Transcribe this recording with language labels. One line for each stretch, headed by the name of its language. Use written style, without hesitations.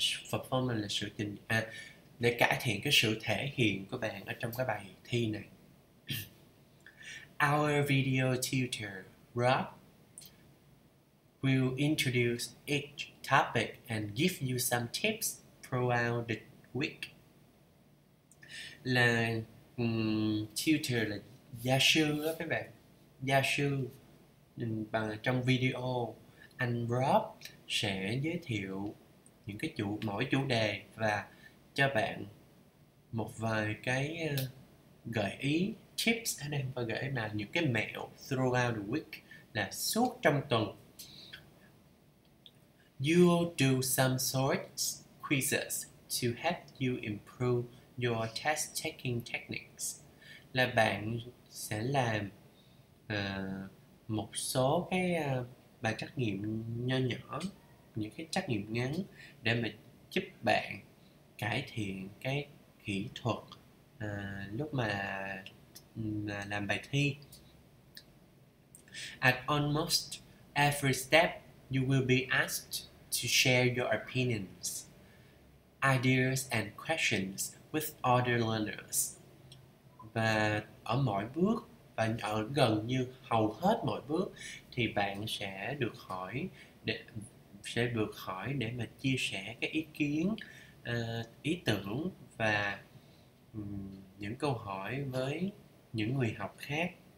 Vietnamese: Performance là sự trình à, để cải thiện cái sự thể hiện của bạn ở trong cái bài thi này.
English: Our video tutor Rob will introduce each topic and give you some tips throughout the week.
Vietnamese: Là tutor là gia sư đó các bạn. Gia sư bằng trong video anh Rob sẽ giới thiệu những cái chủ mỗi chủ đề và cho bạn một vài cái gợi ý tips anh em, và gợi ý là những cái mẹo
English: throughout the week,
Vietnamese: là suốt trong tuần.
English: You'll do some short quizzes to help you improve your test taking techniques.
Vietnamese: Là bạn sẽ làm một số cái bài trắc nghiệm nho nhỏ, những cái trắc nghiệm ngắn để mà giúp bạn cải thiện cái kỹ thuật lúc mà làm bài thi.
English: At almost every step, you will be asked to share your opinions, ideas and questions with other learners.
Vietnamese: Và ở mỗi bước và ở gần như hầu hết mọi bước thì bạn sẽ được hỏi để mà chia sẻ cái ý kiến, ý tưởng và những câu hỏi với những người học khác.